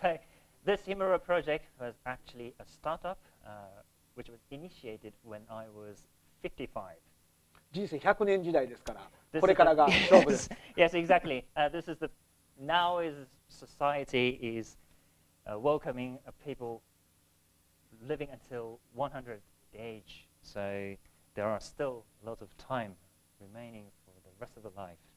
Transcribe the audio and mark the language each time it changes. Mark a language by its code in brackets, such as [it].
[en] So, this himuro project was actually a startup, which was initiated when I was 55. [ja] 人生100年時代ですから、 [en] this、 [ja] これからが勝負です。 [en] Yes, exactly. This is the now is society is welcoming a people living until 100 the age. So there are still a lot of time remaining for the rest of the life.